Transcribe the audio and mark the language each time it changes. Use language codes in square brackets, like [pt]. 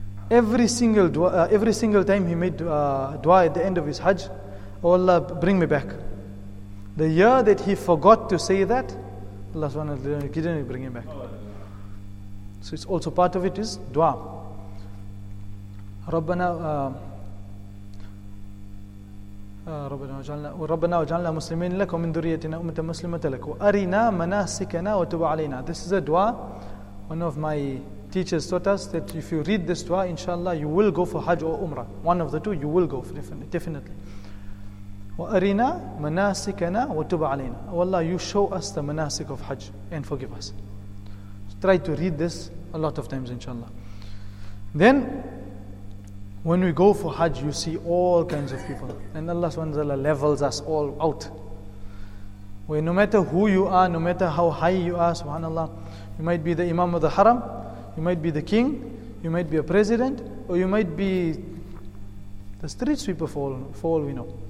[en] Every single time he made dua at the end of his Hajj, oh Allah, bring me back. The year that he forgot to say that, Allah subhanahu wa ta'ala didn't bring him back. So it's also part of it is dua. Rabbana, [ar] ربنا وجعلنا مسلمين لكم من ذريتنا أمة مسلمة لك وأرنا مناسكنا وتب علينا. [en] This is a dua. One of my teachers taught us that if you read this dua, inshallah, you will go for Hajj or Umrah. One of the two, you will go for definitely. [ar] وأرنا مناسكنا وتب علينا. [en] Oh Allah, you show us the manasik of Hajj and forgive us. So try to read this a lot of times, inshallah. Then, when we go for Hajj, you see all kinds of people. And Allah subhanahu wa ta'ala levels us all out. Where no matter who you are, no matter how high you are, subhanAllah, you might be the Imam of the Haram, you might be the king, you might be a president, or you might be the street sweeper for all we know.